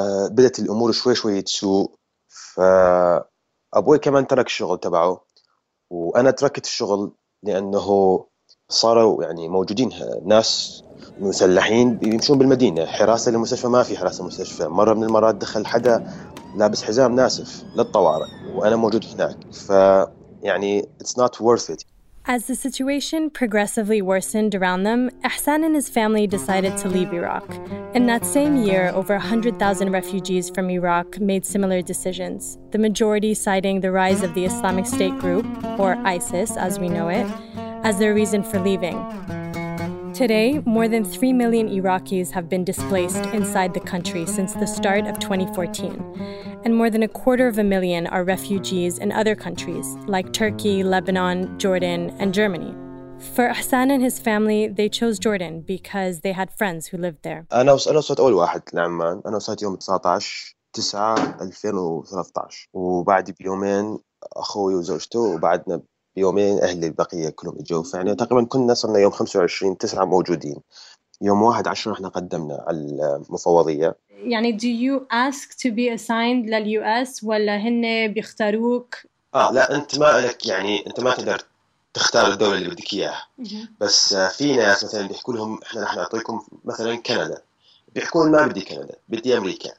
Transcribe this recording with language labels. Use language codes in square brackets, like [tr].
[ar] بدأت الأمور شوي شوي تسوء، فأبوي كمان ترك الشغل تبعه وأنا تركت الشغل، لأنه صاروا يعني موجودين ناس مسلحين بيمشون بالمدينة، حراسة للمستشفى ما في حراسة مستشفى، مرة من المرات دخل حدا لابس حزام ناسف للطوارئ وأنا موجود هناك، فيعني [en] it's not worth it. As the situation progressively worsened around them, Ehsan and his family decided to leave Iraq. In that same year, over 100,000 refugees from Iraq made similar decisions, the majority citing the rise of the Islamic State group, or ISIS as we know it, as their reason for leaving. Today, more than 3 million Iraqis have been displaced inside the country since the start of 2014. And more than a quarter of a million are refugees in other countries, like Turkey, Lebanon, Jordan, and Germany. For Ehsan and his family, they chose Jordan because they had friends who lived there. [ar] يومين أهلي البقية كلهم إجوا، فعني تقريبا كنا صرنا يوم 25 تسعة موجودين، يوم 11 إحنا قدمنا على المفوضية. [en] يعني do you ask to be assigned لل US [ar] ولا هن بيختاروك؟ لا أنت ما لك يعني أنت ما تقدر تختار الدولة اللي بدك إياها، بس في ناس مثلا بيحكوا لهم إحنا رح نعطيكم مثلا كندا، بيحكون ما بدي كندا بدي أمريكا.